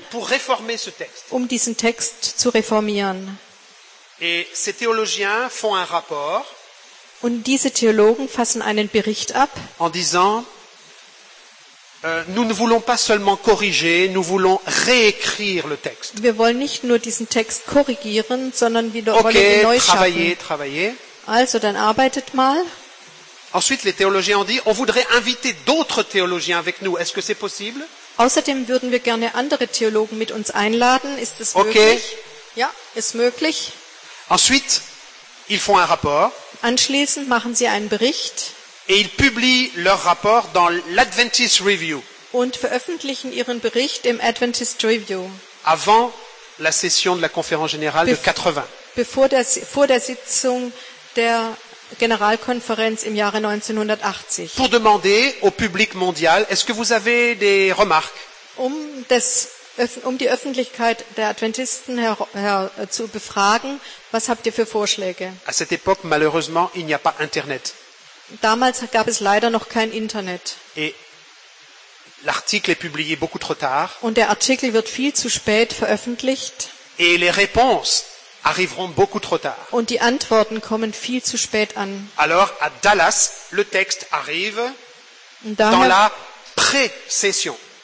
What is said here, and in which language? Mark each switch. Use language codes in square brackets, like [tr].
[fr] pour réformer ce texte. [de] Um diesen Text zu reformieren. [fr] Et ces théologiens font un rapport, [de] und diese Theologen fassen einen Bericht ab, [fr] en disant, nous ne voulons pas seulement corriger, nous voulons réécrire le texte. [de] Wir wollen nicht nur diesen Text korrigieren, sondern wieder wollen ihn neu schaffen. [fr] Okay, travaillez. [de] Also, dann arbeitet mal. [fr] Ensuite, les théologiens ont dit, on voudrait inviter d'autres théologiens avec nous. Est-ce que c'est possible? [de] Außerdem würden wir gerne andere Theologen mit uns einladen. Ist es möglich? Okay. Ja, ist möglich. [fr] Ensuite, ils font un rapport. [de] Anschließend machen sie einen Bericht. [fr] Et ils publient leur rapport dans l'Adventist Review. [de] Und veröffentlichen ihren Bericht im Adventist Review. [fr] Avant la session de la conférence générale de 80. [de] Vor der Sitzung der Generalkonferenz im Jahre 1980. [fr] Pour demander au public mondial, est-ce que vous avez des remarques? [de] Um die Öffentlichkeit der Adventisten zu befragen, was habt ihr für Vorschläge? [fr] À cette époque, malheureusement, il n'y a pas Internet. [de] Damals gab es leider noch kein Internet. [fr] Et l'article est publié beaucoup trop tard. [de] Und der Artikel wird viel zu spät veröffentlicht. [fr] Et les réponses arriveront beaucoup trop tard. [de] Und die Antworten kommen viel zu spät an. [fr] Alors, à Dallas, le texte arrive dans la pré-session.